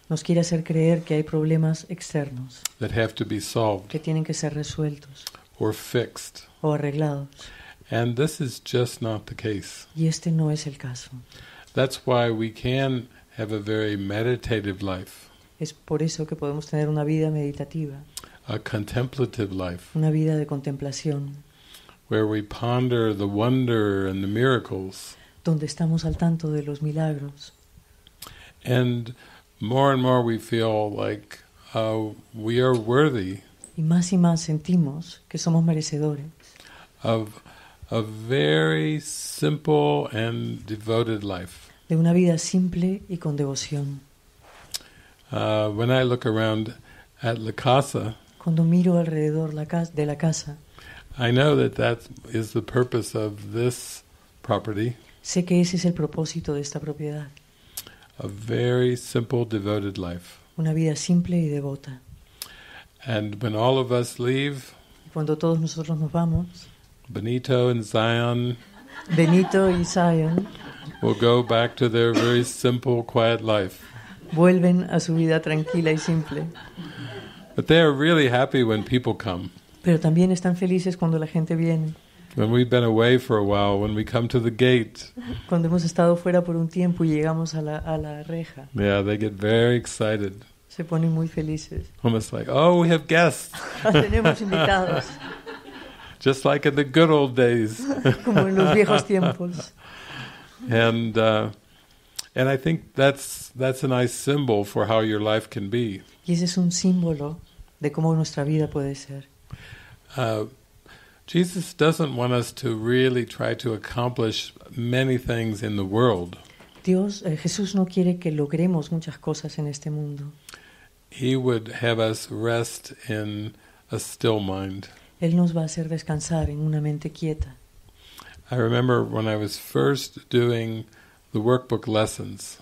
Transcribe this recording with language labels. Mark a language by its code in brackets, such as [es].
[es] Nos quiere hacer creer que hay problemas externos. [en] That have to be solved. [es] Que tienen que ser resueltos. [en] Or fixed. [es] O arreglados. [en] And this is just not the case. [es] Y este no es el caso. [en] That's why we can have a very meditative life. [es] Es por eso que podemos tener una vida meditativa. [en] A contemplative life. [es] Una vida de contemplación. [en] Where we ponder the wonder and the miracles. [es] Donde estamos al tanto de los milagros. [en] And more we feel like we are worthy. [es] Y más sentimos que somos merecedores. [en] Of a very simple and devoted life. [es] De una vida simple y con devoción. [en] When I look around at La Casa. [es] Cuando miro alrededor de la casa. [en] I know that is the purpose of this property. [es] Sé que ese es el propósito de esta propiedad. [en] A very simple devoted life. [es] Una vida simple y devota. [en] And when all of us leave. [es] Cuando todos nosotros nos vamos. [en] Benito and Zion. [es] Benito y Zion. [en] Will go back to their very simple, quiet life. [es] Vuelven a su vida tranquila y simple. [en] But they are really happy when people come. [es] Pero también están felices cuando la gente viene. [en] When we've been away for a while, when we come to the gate. [es] Cuando hemos estado fuera por un tiempo y llegamos a la reja. [en] Yeah, they get very excited. [es] Se ponen muy felices. [en] Almost like, oh, we have guests. [es] Tenemos invitados. [en] Just like in the good old days. [es] Como en los viejos tiempos. [en] And I think that's a nice symbol for how your life can be. [es] Y ese es un símbolo de cómo nuestra vida puede ser. [en] Jesus doesn't want us to really try to accomplish many things in the world. [es] Jesús no quiere que logremos muchas cosas en este mundo. [en] He would have us rest in a still mind. [es] Él nos va a hacer descansar en una mente quieta. [en] I remember when I was first doing the workbook lessons.